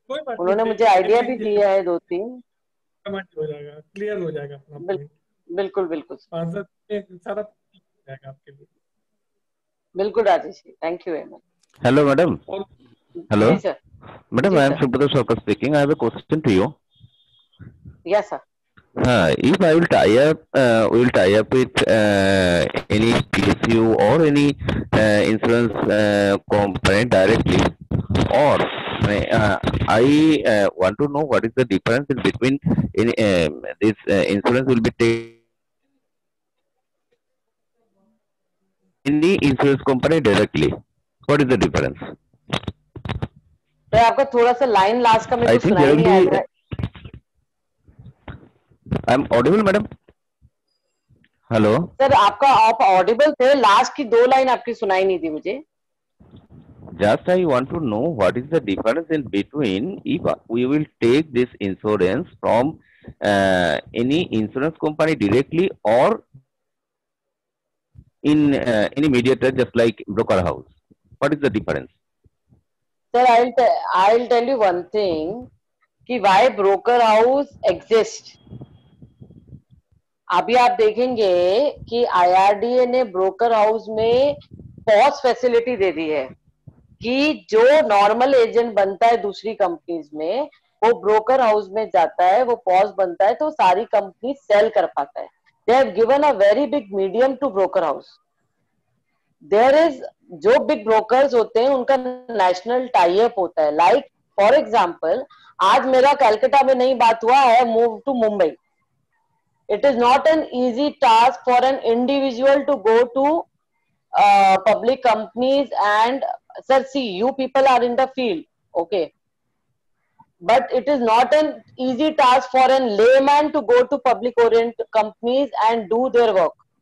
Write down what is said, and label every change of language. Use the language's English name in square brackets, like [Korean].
[Hindi] उन्होंने मुझे आइडिया भी दिया है दो तीन, क्लियर हो जाएगा. बिल्कुल बिल्कुल सारा जाएगा आपके लिए. [English] बिल्कुल Rajesh ji, thank you very much. Hello madam. Hello madam, I am Subroto Sarkar speaking. I have a question to you. Yes sir. If I will tie up, will tie up with any PSU or any insurance component directly, or I want to know what is the difference in between in this insurance will be taken any insurance company directly. What is the difference? [Hindi] आपका थोड़ा सा line last का मेरे को सुनाई नहीं आ रहा है. [English] I'm audible, madam. Hello. [Hindi] Sir, आपका आप audible थे, last की दो line आपकी सुनाई नहीं थी मुझे. [English] Just I want to know what is the difference in between if we will take this insurance from any insurance company directly or in any mediator just like broker house. What is the difference? Sir, I'll tell you one thing कि why broker house exists. [Hindi] अभी आप देखेंगे कि IRDA ने broker house में POS facility दे दी है कि जो नॉर्मल एजेंट बनता है दूसरी कंपनीज में वो ब्रोकर हाउस में जाता है, वो पॉस बनता है तो सारी कंपनी सेल कर पाता है. [English] They have given a very big medium to broker house. There is [Hindi] जो बिग ब्रोकर्स होते हैं उनका नेशनल टाइप होता है. [English] like for example [Hindi] आज मेरा कलकत्ता में नहीं बात हुआ है, [English] Move to Mumbai. It is not an easy task for an individual to go to public companies and sir, see, you people are in the field, okay. But it is not an easy task for a layman to go to public oriented companies and do their work.